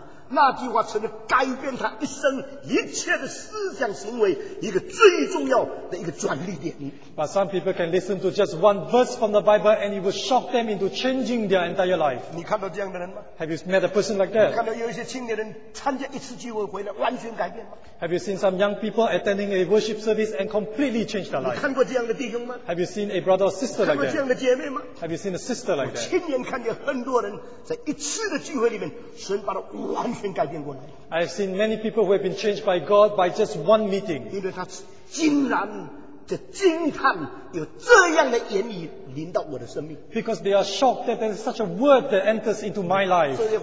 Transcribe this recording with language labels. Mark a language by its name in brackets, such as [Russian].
[Chinese] 那句话成了改变他一生一切的思想行为一个最重要的一个转捩点。 [English] But some people can listen to just one verse from the Bible and it will shock them into changing their entire life. [Chinese] 你看到这样的人吗? [English] Have you met a person like that? [Chinese] 你看到有一些青年人参加一次聚会回来完全改变吗? [English] Have you seen some young people attending a worship service and completely change their life? [Chinese] 你看过这样的弟兄吗? [English] Have you seen a brother or sister like that? [Chinese] 你看过这样的姐妹吗? [English] Have you seen a sister like that? [Chinese] 我亲眼看见很多人在一次的聚会里面神把他完全 [English] I have seen many people who have been changed by God by just one meeting. Because they are shocked that there is such a word that enters into my life.